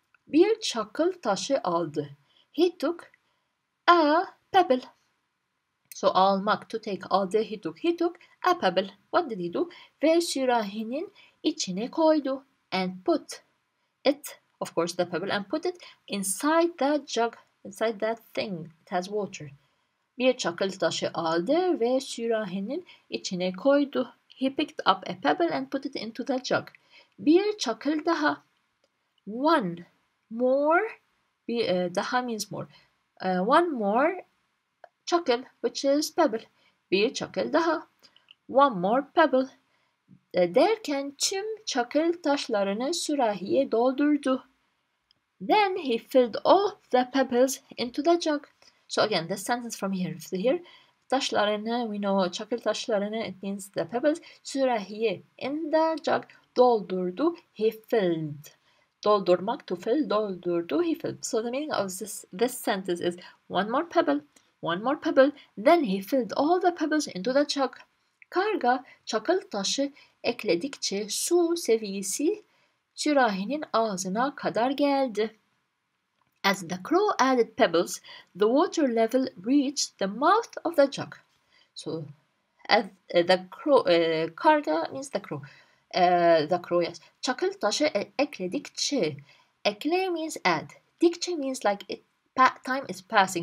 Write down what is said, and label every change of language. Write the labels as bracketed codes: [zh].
[tr] Bir çakıl taşı aldı. [en] He took a pebble. So almak, to take, aldı, he took. He took a pebble. What did he do? [tr] Ve sürahinin içine koydu. [en] And put it, of course, the pebble, and put it inside that jug, inside that thing. It has water. [tr] Bir çakıl taşı aldı ve sürahinin içine koydu. [en] He picked up a pebble and put it into the jug. [tr] Bir çakıl daha. [en] One more. Daha means more. One more çakıl, which is pebble. [tr] Bir çakıl daha. [en] One more pebble. [tr] Derken tüm çakıl taşlarını sürahiye doldurdu. [en] Then he filled all the pebbles into the jug. So again, the sentence from here to here. Taşlarını, we know, [tr] çakıl taşlarını, [en] it means the pebbles. Sürahiye, in the jug, doldurdu, he filled. Doldurmak, to fill, doldurdu, he filled. So the meaning of this sentence is one more pebble, then he filled all the pebbles into the jug. [tr] Karga, çakıl taşı ekledikçe su seviyesi sürahinin ağzına kadar geldi. [en] As the crow added pebbles, the water level reached the mouth of the jug. So, as the crow, karga means the crow. The crow, yes. [tr] Çakıl taşı ekledikçe. [en] Ekle means add. Dikçe means like it, time is passing.